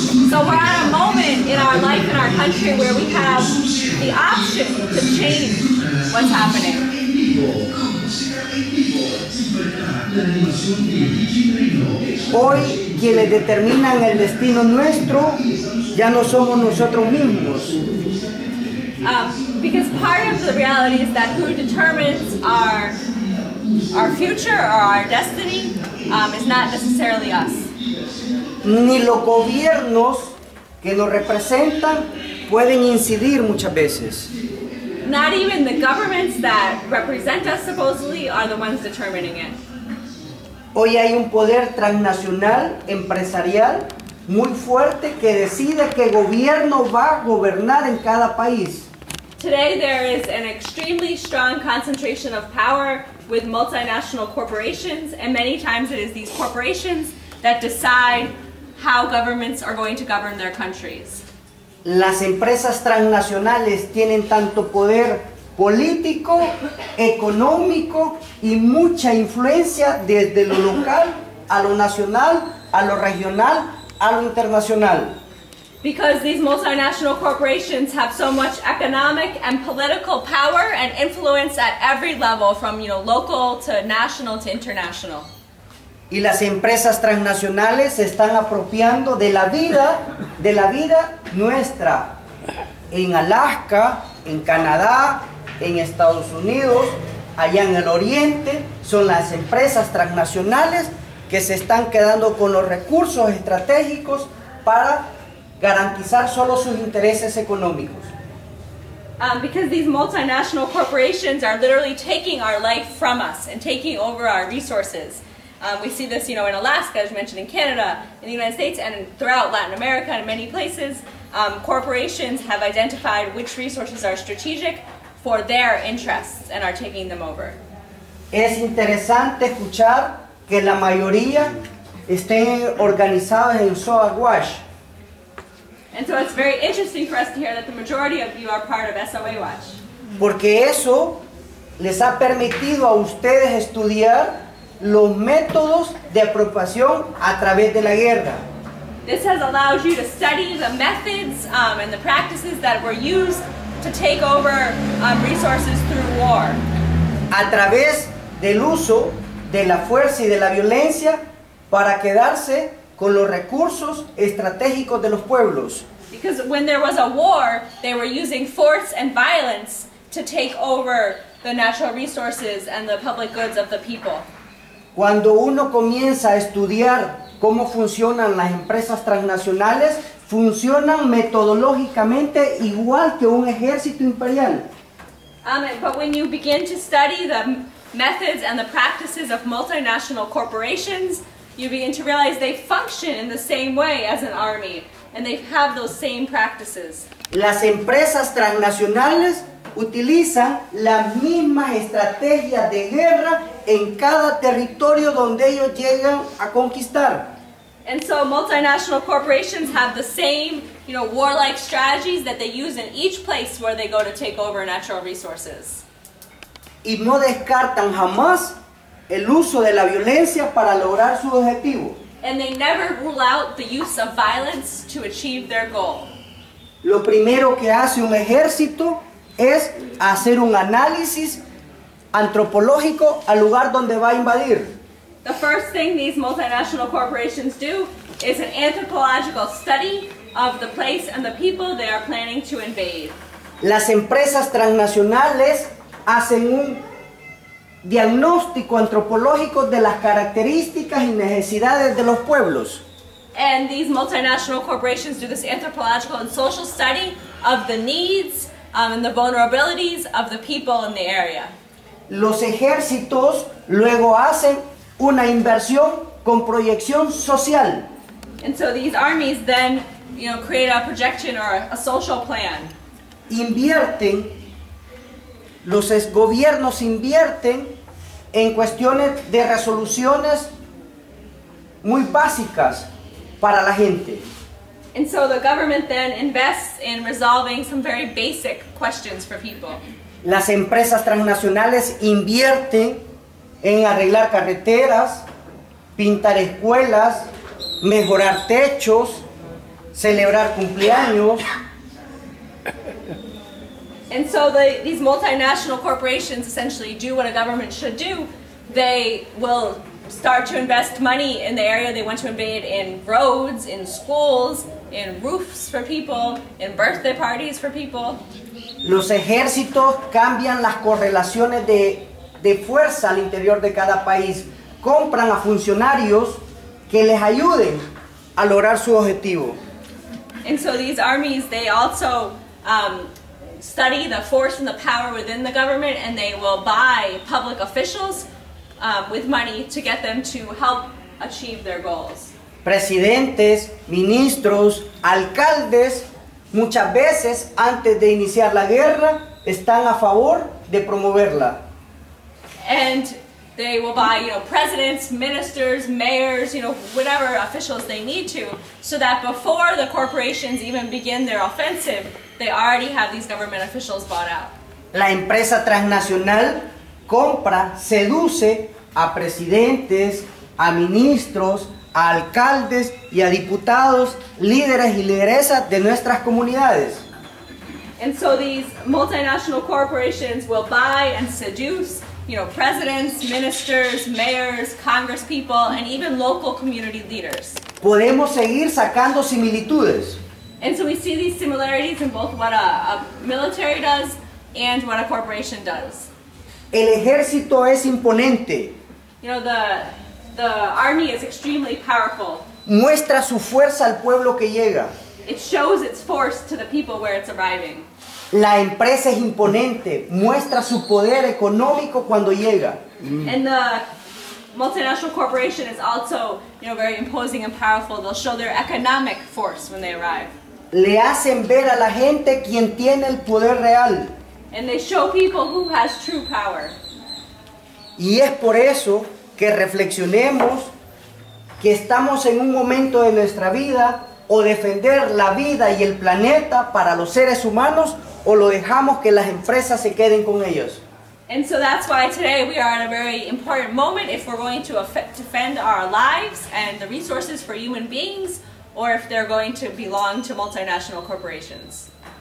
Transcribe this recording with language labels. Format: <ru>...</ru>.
<en>So we're at a moment in our life in our country where we have the option to change what's happening.</en> <es>Hoy quienes determinan el destino nuestro ya no somos nosotros mismos.</es> <en>Because part of the reality is that who determines our future or our destiny is not necessarily us.</en> <es>Ni los gobiernos que nos representan pueden incidir muchas veces.</es> <en>Not even the governments that represent us supposedly are the ones determining it.</en> <es>Hoy hay un poder transnacional, empresarial, muy fuerte que decide qué gobierno va a gobernar en cada país.</es> <en>Today there is an extremely strong concentration of power with multinational corporations, and many times it is these corporations that decide how governments are going to govern their countries.</en> <es>Las empresas transnacionales tienen tanto poder político, económico y mucha influencia desde lo local a lo nacional, a lo regional, a lo internacional.</es> <en>Because these multinational corporations have so much economic and political power and influence at every level, from local to national to international.</en> <es>Y las empresas transnacionales se están apropiando de la vida nuestra, en Alaska, en Canadá, en Estados Unidos, allá en el Oriente. Son las empresas transnacionales que se están quedando con los recursos estratégicos para garantizar solo sus intereses económicos.</es> <en>Because these multinational corporations are literally taking our life from us and taking over our resources. We see this, in Alaska, as mentioned, in Canada, in the United States, and throughout Latin America and many places. Corporations have identified which resources are strategic for their interests and are taking them over.</en> <es>Es interesante escuchar que la mayoría estén organizados en Sua Watch.</es> <en>And so it's very interesting for us to hear that the majority of you are part of SOA Watch.</en> <es>Porque eso les ha permitido a ustedes estudiar los métodos de apropiación a través de la guerra.</es> <en>This has allowed you to study the methods and the practices that were used to take over resources through war.</en> <es>A través del uso de la fuerza y de la violencia para quedarse con los recursos estratégicos de los pueblos.</es> <en>Because when there was a war, they were using force and violence to take over the natural resources and the public goods of the people.</en> <es>Cuando uno comienza a estudiar cómo funcionan las empresas transnacionales, funcionan metodológicamente igual que un ejército imperial.</es> <en>But when you begin to study the methods and the practices of multinational corporations, you begin to realize they function in the same way as an army, and they have those same practices.</en> <es>Las empresas transnacionales utilizan las mismas estrategias de guerra en cada territorio donde ellos llegan a conquistar.</es> <en>And so multinational corporations have the same, you know, warlike strategies that they use in each place where they go to take over natural resources.</en> <es>Y no descartan jamás el uso de la violencia para lograr su objetivo.</es> <en>And they never rule out the use of violence to achieve their goal.</en> <es>Lo primero que hace un ejército es hacer un análisis antropológico al lugar donde va a invadir.</es> <en>The first thing these multinational corporations do is an anthropological study of the place and the people they are planning to invade.</en> <es>Las empresas transnacionales hacen un diagnóstico antropológico de las características y necesidades de los pueblos.</es> <en>And these multinational corporations do this anthropological and social study of the needs and the vulnerabilities of the people in the area.</en> <es>Los ejércitos luego hacen una inversión con proyección social.</es> <en>And so these armies then, you know, create a projection or a social plan.</en> <es>Invierten, los gobiernos invierten en cuestiones de resoluciones muy básicas para la gente.</es> <en>And so the government then invests in resolving some very basic questions for people.</en> <es>Las empresas transnacionales invierten en arreglar carreteras, pintar escuelas, mejorar techos, celebrar cumpleaños.</es> <en>And so these multinational corporations essentially do what a government should do. They will start to invest money in the area they want to invade in roads, in schools, in roofs for people, in birthday parties for people.</en> <es>Los ejércitos cambian las correlaciones de fuerza al interior de cada país. Compran a funcionarios que les ayuden a lograr su objetivo.</es> <en>And so these armies, they also study the force and the power within the government, and they will buy public officials with money to get them to help achieve their goals.</en> <es>Presidentes, ministros, alcaldes, muchas veces antes de iniciar la guerra, están a favor de promoverla.</es> <en>And they will buy, you know, presidents, ministers, mayors, you know, whatever officials they need to, so that before the corporations even begin their offensive, they already have these government officials bought out.</en> <es>La empresa transnacional compra, seduce a presidentes, a ministros, a alcaldes y a diputados, líderes y lideresas de nuestras comunidades.</es> <en>And so these multinational corporations will buy and seduce, you know, presidents, ministers, mayors, congresspeople, and even local community leaders.</en> <es>Podemos seguir sacando similitudes.</es> <en>And so we see these similarities in both what a military does and what a corporation does.</en> <es>El ejército es imponente.</es> <en>You know, the army is extremely powerful.</en> <es>Muestra su fuerza al pueblo que llega.</es> <en>It shows its force to the people where it's arriving.</en> <es>La empresa es imponente, muestra su poder económico cuando llega.</es> <en>And the multinational corporation is also, you know, very imposing and powerful. They'll show their economic force when they arrive.</en> <es>Le hacen ver a la gente quien tiene el poder real.</es> <en>And they show people who has true power.</en> <es>Y es por eso que reflexionemos que estamos en un momento de nuestra vida o defender la vida y el planeta para los seres humanos o lo dejamos que las empresas se queden con ellos.</es> <en>And so that's why today we are at a very important moment if we're going to defend our lives and the resources for human beings, or if they're going to belong to multinational corporations.</en>